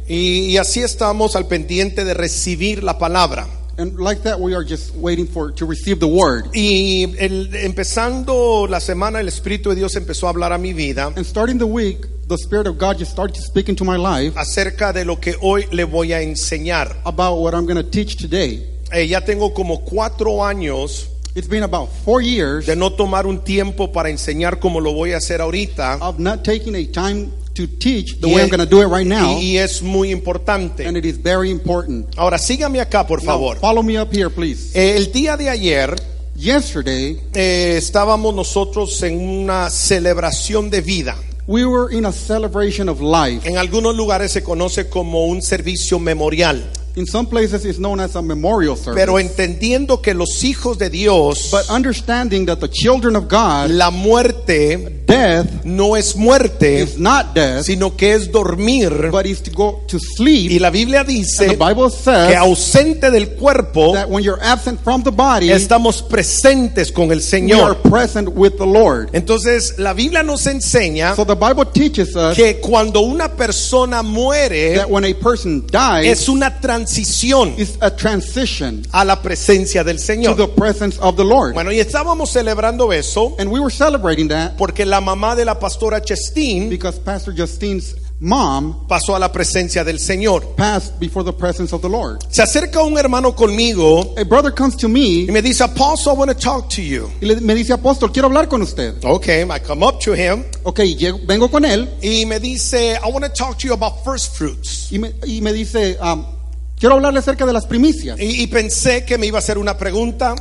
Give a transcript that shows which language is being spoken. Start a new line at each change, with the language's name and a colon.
Spanish: y así estamos al pendiente de recibir la palabra.
English: And like that, we are just waiting for to receive the word.
Spanish: Y empezando la semana, el Espíritu de Dios empezó a hablar a mi vida.
English: And starting the week, the Spirit of God just started to speak into my life.
Spanish: Acerca de lo que hoy le voy a enseñar.
English: About what I'm going to teach today.
Spanish: Ya tengo como 4 años.
English: It's been about 4 years.
Spanish: De no tomar un tiempo para enseñar como lo voy a hacer ahorita.
English: Of not taking a time to teach the way I'm going to do it right now.
Spanish: Y es muy importante.
English: And it is very important.
Spanish: Ahora sígame acá, por favor.
English: Now, follow me up here, please.
Spanish: El día de ayer,
English: yesterday,
Spanish: estábamos nosotros en una celebración de vida.
English: We were in a celebration of life.
Spanish: En algunos lugares se conoce como un servicio memorial.
English: In some places it's known as a memorial service.
Spanish: Pero entendiendo que los hijos de Dios,
English: but understanding that the children of God,
Spanish: la muerte,
English: death,
Spanish: no es muerte,
English: is not death,
Spanish: sino que es dormir,
English: but is to go to sleep.
Spanish: Y la Biblia dice,
English: and the Bible says,
Spanish: que ausente del cuerpo,
English: that when you're absent from the body,
Spanish: estamos presentes con el Señor,
English: we are present with the Lord.
Spanish: Entonces la Biblia nos enseña,
English: so the Bible teaches us,
Spanish: que cuando una persona muere,
English: that when a person dies,
Spanish: es una transición,
English: is a transition,
Spanish: a la presencia del Señor,
English: to the presence of the Lord.
Spanish: Bueno, y estábamos celebrando eso,
English: and we were celebrating that,
Spanish: porque la mamá de la pastora Justine,
English: because Pastor Justine's mom,
Spanish: pasó a la presencia del Señor,
English: passed before the presence of the Lord.
Spanish: Se acerca un hermano conmigo,
English: a brother comes to me,
Spanish: y me dice,
English: Apostle, I want to talk to you.
Spanish: Y me dice, Apostle, quiero hablar con usted.
English: Okay, I come up to him.
Spanish: Okay, vengo con él. Y me dice,
English: I want to talk to you about first fruits.
Spanish: Y me dice, quiero hablarle acerca de las primicias. Y pensé que me iba a hacer una pregunta.